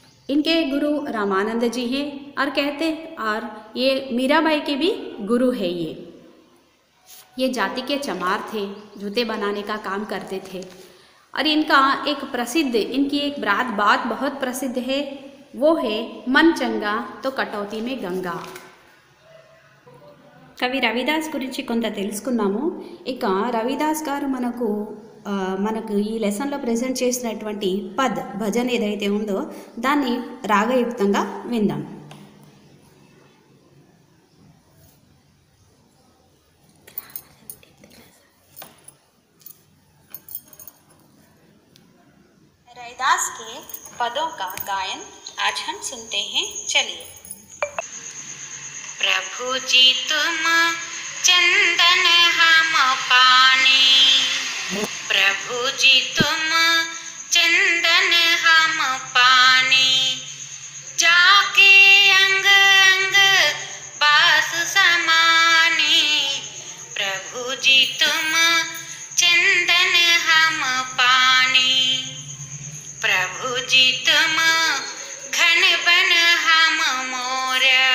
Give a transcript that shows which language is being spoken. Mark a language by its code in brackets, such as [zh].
[hi] इनके गुरु रामानंद जी हैं और कहते और ये मीराबाई के भी गुरु है। ये जाति के चमार थे, जूते बनाने का काम करते थे। और इनकी एक बात बहुत प्रसिद्ध है, वो है मन चंगा तो कटौती में गंगा। [te] కవి రవిదాస్ గురించి కొంత తెలుసుకున్నాము. ఇక రవిదాస్ గారు మనకు ఈ లెసన్లో ప్రజెంట్ చేసినటువంటి భజన ఏదైతే ఉందో దాన్ని రాగయుక్తంగా విందాం. [hi] రవిదాస్ కే పదో కా గాయన్ ఆజ్ హమ్ సునతే హై చలియే. प्रभु जी तुम चंदन हम पाने, प्रभु जी तुम चंदन हम पाने, जाके अंग अंग बास समाने, प्रभु जी तुम चंदन हम पाने, प्रभु जी तुम घन बन हम मोर,